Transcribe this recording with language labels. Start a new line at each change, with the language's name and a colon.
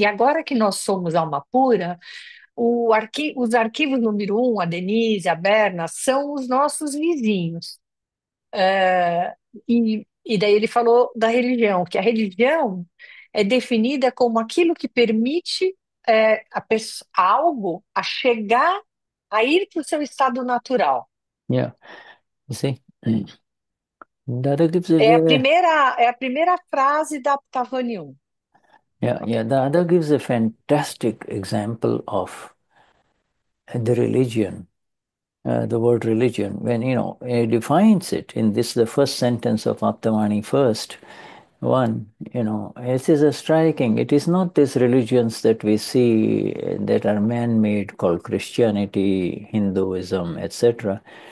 Portuguese: E agora que nós somos alma pura, os arquivos número 1, a Denise, a Berna, são os nossos vizinhos. E daí ele falou da religião, que a religião é definida como aquilo que permite algo a chegar a ir para o seu estado natural.
English: Yeah, you see, Dada gives a very,
Portuguese: É a primeira frase da Aptavani 1.
English: Dada gives a fantastic example of the religion, the word religion, when, you know, it defines it in this, the first sentence of Aptavani, first one, you know, this is a striking, it is not these religions that we see that are man-made called Christianity, Hinduism, etc.